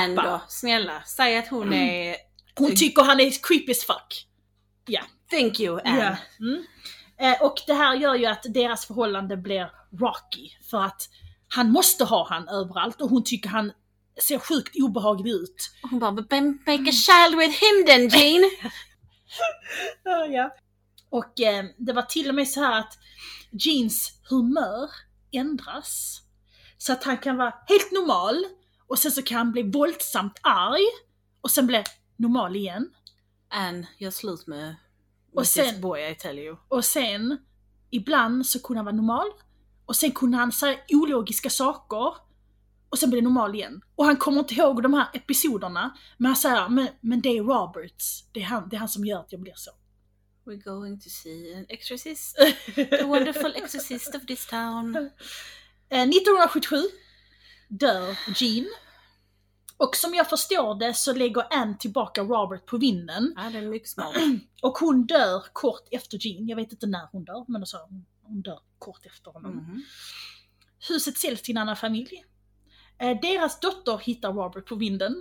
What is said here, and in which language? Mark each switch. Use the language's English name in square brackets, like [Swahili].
[Swedish] Men ändå, snälla, säg att hon är... Hon tycker han är [English] creepy as fuck. [Swedish] Ja. [English] Thank you, Anne. Yeah. Mm. [Swedish] Och det här gör ju att deras förhållande blir rocky, för att han måste ha han överallt och hon tycker han ser sjukt obehaglig ut. Hon bara, [English] make a child with him then, Jean. [Swedish] Ja. Och det var till och med så här att Jeans humör ändras så att han kan vara helt normal och sen så kan han bli våldsamt arg och sen bli normal igen. [English] And [Swedish] jag slut med... Och sen, [English] boy, I tell you. [Swedish] Och sen ibland så kunde han vara normal och sen kunde han säga ologiska saker och sen blev det normal igen. Och han kommer inte ihåg de här episoderna, men han säger, men det är Roberts, det är han som gör att jag blir så. [English] We're going to see an exorcist. The wonderful exorcist of this town. [Swedish] 1977 dör Jean. Och som jag förstår det så lägger Anne tillbaka Robert på vinden. Ja, det är mycket smart. Och hon dör kort efter Jean. Jag vet inte när hon dör, men alltså, hon dör kort efter honom. Mm-hmm. Huset säljs till en annan familj. Deras dotter hittar Robert på vinden.